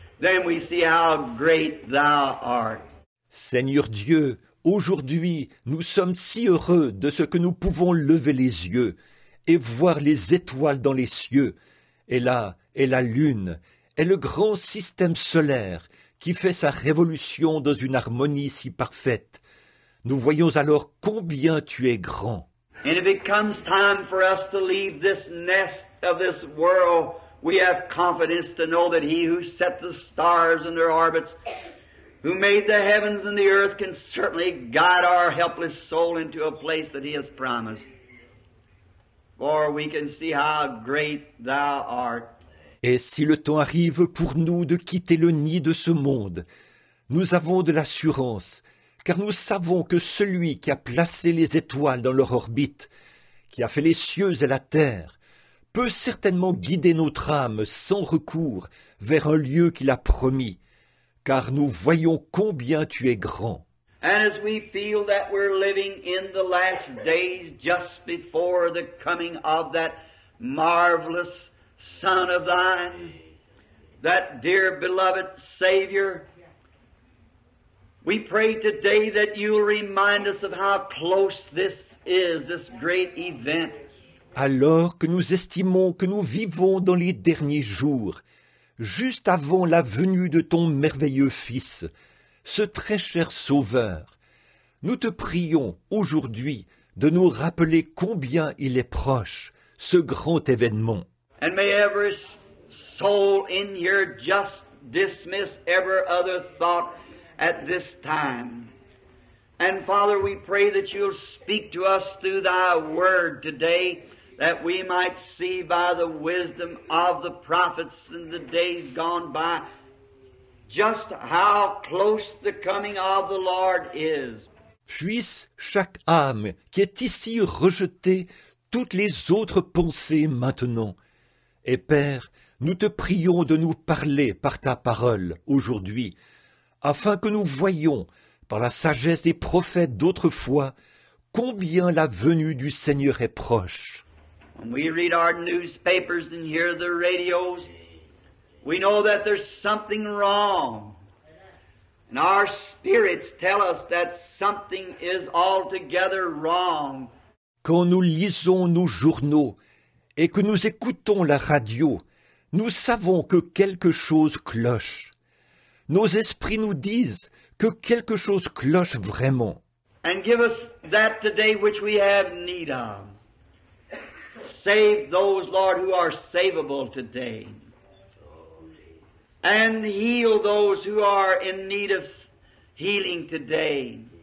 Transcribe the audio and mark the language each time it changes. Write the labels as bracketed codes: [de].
[en] Then we see how great Thou art. [fr] Seigneur Dieu, aujourd'hui nous sommes si heureux de ce que nous pouvons lever les yeux et voir les étoiles dans les cieux, et là est la lune et le grand système solaire qui fait sa révolution dans une harmonie si parfaite. Nous voyons alors combien tu es grand. [en] And if it comes time for us to leave this nest of this world, we have confidence to know that He who set the stars in their orbits, who made the heavens and the earth, can certainly guide our helpless soul into a place that He has promised. For we can see how great Thou art. [fr] Et si le temps arrive pour nous de quitter le nid de ce monde, nous avons de l'assurance, car nous savons que celui qui a placé les étoiles dans leur orbite, qui a fait les cieux et la terre, peut certainement guider notre âme sans recours vers un lieu qu'il a promis, car nous voyons combien tu es grand. [en] As we feel that we're living in the last days just before the coming of that marvelous Son of thine, that dear beloved Savior, we pray today that you'll remind us of how close this is, this great event. [fr] Alors que nous estimons que nous vivons dans les derniers jours, juste avant la venue de ton merveilleux Fils, ce très cher Sauveur, nous te prions aujourd'hui de nous rappeler combien il est proche, ce grand événement. [en] And may every soul in here just dismiss every other thought at this time. And Father, we pray that you'll speak to us through Thy Word today, that we might see by the wisdom of the prophets in the days gone by just how close the coming of the Lord is. [fr] Puisse chaque âme qui est ici rejeter toutes les autres pensées maintenant. Et Père, nous te prions de nous parler par ta parole aujourd'hui, afin que nous voyions, par la sagesse des prophètes d'autrefois, combien la venue du Seigneur est proche. [en] When we read our newspapers and hear the radios, we know that there's something wrong. And our spirits tell us that something is altogether wrong. [fr] Quand nous lisons nos journaux, et que nous écoutons la radio, nous savons que quelque chose cloche. Nos esprits nous disent que quelque chose cloche vraiment. [en] And give us that today which we have need of. save those, Lord, who are savable today. And heal those who are in need of healing today.